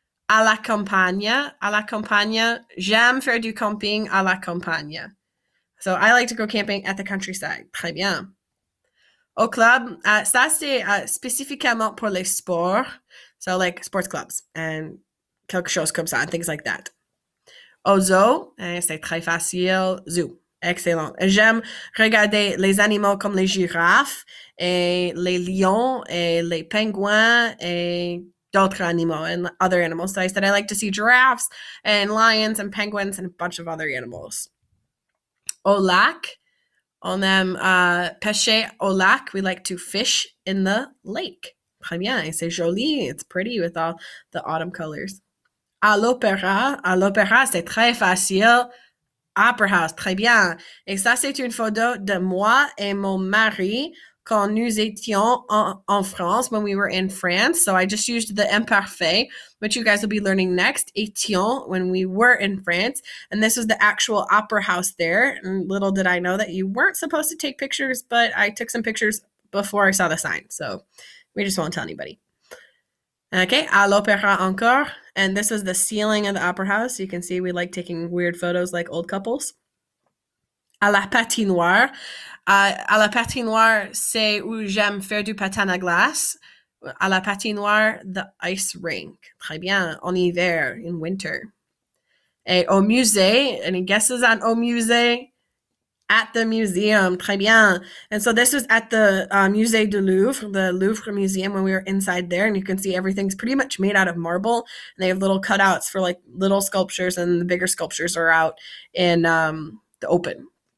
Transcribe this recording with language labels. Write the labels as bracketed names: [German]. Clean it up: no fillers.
[French] À la campagne, j'aime faire du camping à la campagne. [English] So I like to go camping at the countryside. [French] Très bien. Au club, ça c'est spécifiquement pour les sports. [English] So like sports clubs and [French] quelque chose comme ça, [English] and things like that. [French] Au zoo, c'est très facile. Zoo, excellent. J'aime regarder les animaux comme les girafes et les lions et les pingouins et d'autres animaux [English] and other animals. So I said I like to see giraffes and lions and penguins and a bunch of other animals. [French] Au lac, on aime pêcher au lac. [English] We like to fish in the lake. [French] Très bien, c'est joli. [English] It's pretty with all the autumn colors. [French] À l'opéra, c'est très facile. [English] Opera house, [French] très bien. Et ça, c'est une photo de moi et mon mari. Quand nous étions en France, [English] when we were in France. So I just used the imparfait, which you guys will be learning next. Étions, when we were in France. And this was the actual opera house there. And little did I know that you weren't supposed to take pictures, but I took some pictures before I saw the sign. So we just won't tell anybody. Okay, [French] à l'opéra encore. [English] And this was the ceiling of the opera house. You can see we like taking weird photos like old couples. [French] À la patinoire. À la patinoire, c'est où j'aime faire du patin à glace. À la patinoire, [English] the ice rink. [French] Très bien, en hiver, [English] in winter. [French] Et au musée, [English] any guesses on [French] au musée? [English] At the museum, [French] très bien. [English] And so this was at the Musée du Louvre, the Louvre Museum, when we were inside there. And you can see everything's pretty much made out of marble. And they have little cutouts for like little sculptures, and the bigger sculptures are out in the open.